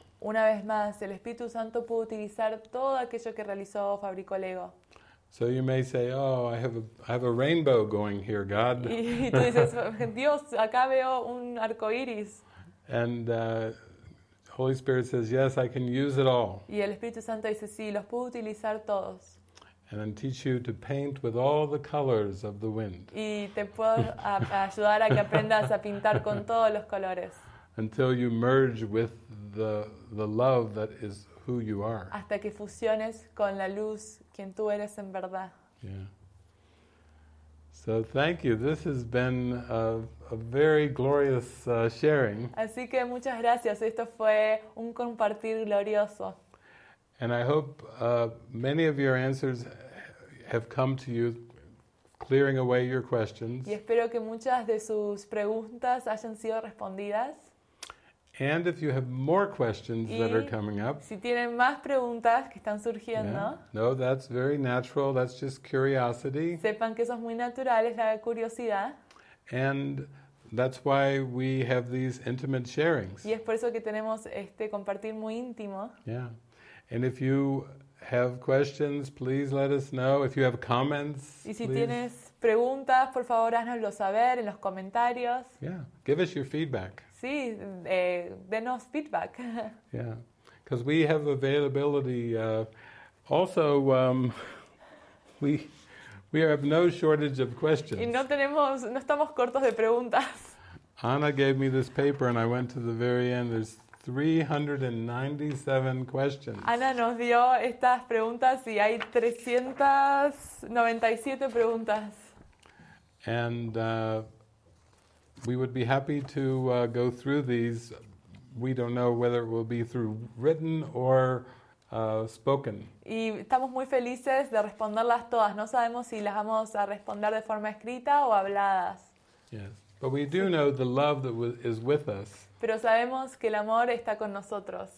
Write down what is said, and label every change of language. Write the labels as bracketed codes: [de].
[es] Una vez más, el Espíritu Santo pudo utilizar todo aquello que realizó o fabricó el ego. [en] So you may say, "Oh, I have a rainbow going here, God." [es] Y tú dices, Dios, acá veo un arco iris. [en] And Holy Spirit says, "Yes, I can use it all." [es] Y el Espíritu Santo dice, sí, los puedo utilizar todos. [en] And then teach you to paint with all the colors of the wind. [es] Y te puedo ayudar a que aprendas a pintar con todos los colores. [en] Until you merge with the love that is who you are. [es] Hasta que fusiones con la luz quien tú eres en verdad. [en] Yeah. So thank you. This has been a very glorious sharing. [es] Así que muchas gracias. Esto fue un compartir glorioso. [en] And I hope many of your answers have come to you, clearing away your questions. [es] Y espero que muchas de sus preguntas hayan sido respondidas. [en] And if you have more questions [es] y [en] that are coming up, [es] si tienen más preguntas que están surgiendo, [en] no, that's very natural. That's just curiosity. [es] Sepan que eso es muy natural, es la curiosidad. [en] And that's why we have these intimate sharings. [es] Y es por eso que tenemos este compartir muy íntimo. [en] Yeah. And if you have questions, please let us know. If you have comments, [es] y si [en] please. [es] Tienes preguntas, por favor, háznoslo saber en los comentarios. [en] Yeah. Give us your feedback. [es] Sí, denos feedback. [en] Yeah, because we have availability. Also, we have no shortage of questions. [es] Y no estamos cortos de preguntas. [en] Anna gave me this paper, and I went to the very end. There's 397 questions. [es] Ana nos dio estas preguntas y hay 397 preguntas. [en] And we would be happy to go through these. We don't know whether it will be through written or spoken. [es] Y estamos muy felices de responderlas todas. No sabemos si las vamos a responder de forma escrita o habladas. [en] Yes, but we do know the love that is with us. [es] Pero sabemos que el amor está con nosotros.